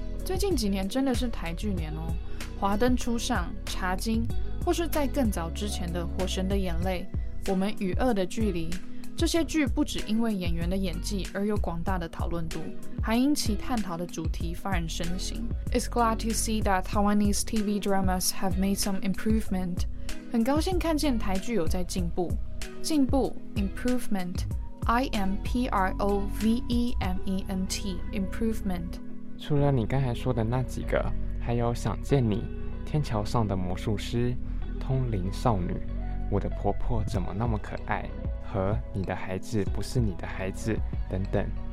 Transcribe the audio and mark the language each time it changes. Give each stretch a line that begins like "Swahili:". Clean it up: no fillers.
Chinese: 最近几年真的是台剧年哦。华灯初上、茶经，或是在更早之前的《火神的眼泪》、《我们与恶的距离》，这些剧不只因为演员的演技而有广大的讨论度，还因其探讨的主题发人深省。
English: It's glad to see that Taiwanese TV dramas have made some improvement.
Chinese: 很高兴看见台剧有在进步。进步 ，improvement, improvement, improvement。除了你刚才说的那几个。还有《想见你》、《天桥上的魔术师》、《通灵少女》、《我的婆婆怎么那么可爱》和《你的孩子不是你的孩子》等等。